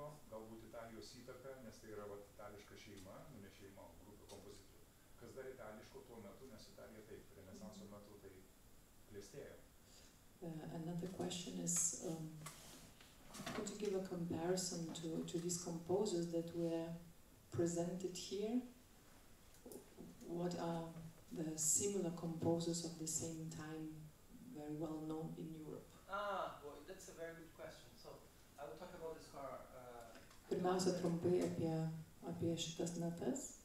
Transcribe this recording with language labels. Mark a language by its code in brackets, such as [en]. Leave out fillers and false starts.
[lt] Galbūt Italijos įtaka, nes tai yra vat, itališka šeima, nu ne šeima, grupė kompozitorių. Kas dar itališko tuo metu, nes Italija taip, renesanso metu tai klestėjo. [en] Another question is, could you give a comparison to these composers that were presented here? What are the similar composers of the same time very well known in Europe? Well, that's a very good question. So, I will talk about this car. [lt] Pirmiausia, trumpai apie šitas natas.